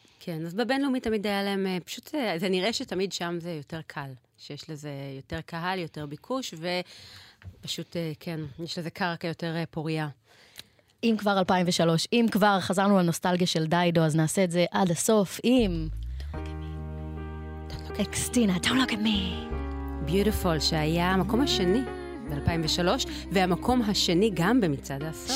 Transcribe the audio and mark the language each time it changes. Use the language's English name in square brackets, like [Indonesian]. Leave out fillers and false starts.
[Hebrew] כן, אז בבינלאומי תמיד היה להם, פשוט זה נראה שתמיד שם זה יותר קל, שיש לזה יותר קהל, יותר ביקוש, ופשוט, כן, יש לזה קרקע יותר פוריה. אם כבר 2003, אם כבר חזרנו לנוסטלגיה של דיידו, אז נעשה את זה עד הסוף, אם... [English] קריסטינה, don't look at me. [Hebrew] Beautiful, שהיה המקום השני ב-2003, והמקום השני גם במצעד העשור.